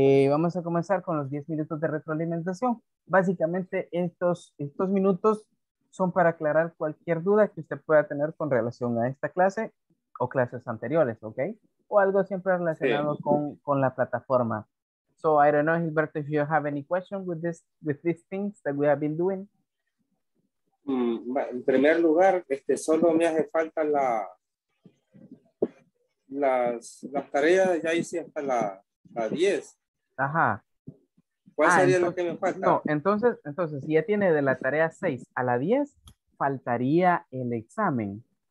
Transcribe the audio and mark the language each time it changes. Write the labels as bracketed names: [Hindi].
[Spanish] Vamos a comenzar con los 10 minutos de retroalimentación. Básicamente, estos minutos son para aclarar cualquier duda que usted pueda tener con relación a esta clase o clases anteriores, ¿ok? O algo siempre relacionado con la plataforma. [English] So, I don't know, Gilberto, if you have any question with these things that we have been doing. [Spanish] En primer lugar, solo me hace falta las tareas, ya hice hasta la 10. Ajá. ¿Cuál sería entonces, lo que me falta? No, entonces, si ya tiene de la tarea 6 a la 10, faltaría el examen.